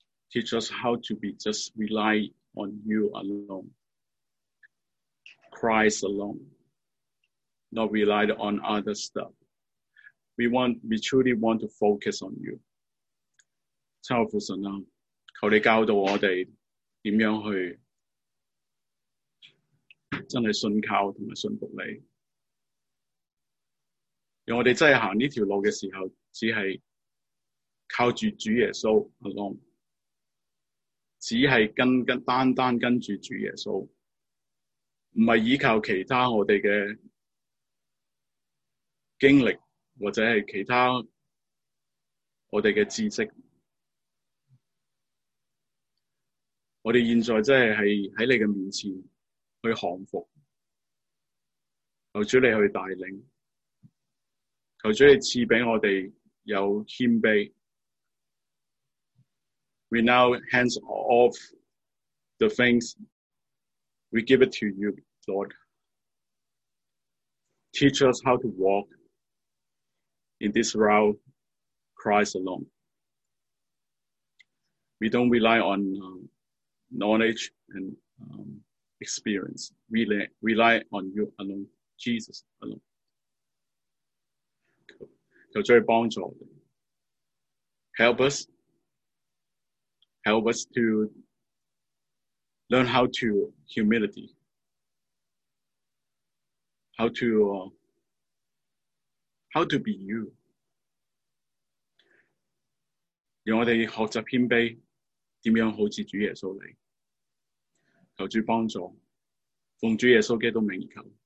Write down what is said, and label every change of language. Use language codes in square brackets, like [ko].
[en] Teach us how to be just rely on you alone, Christ alone, not rely on other stuff. We truly want to focus on you. [zh] 亲爱的父神啊，求你教导我们怎样去真的信靠和信服你。让我们真的行这条路的时候，只是靠着主耶稣 alone， 只是单单跟着主耶稣，不是依靠其他我们的经历或者是其他我们的知识。我们现在真的是在你的面前去降服，求主你去带领，求主你赐给我们有谦卑。 [en] We now hands off the things, we give it to you, Lord. Teach us how to walk in this route, Christ alone. We don't rely onknowledge and experience. Rely on you alone, Jesus alone. [zh] 求主帮助我们。 [en] Help us to learn how to humility, how to be you. [zh] 让我们学习谦卑，怎样好似主耶稣来。求主帮助，奉主耶稣基督名义求。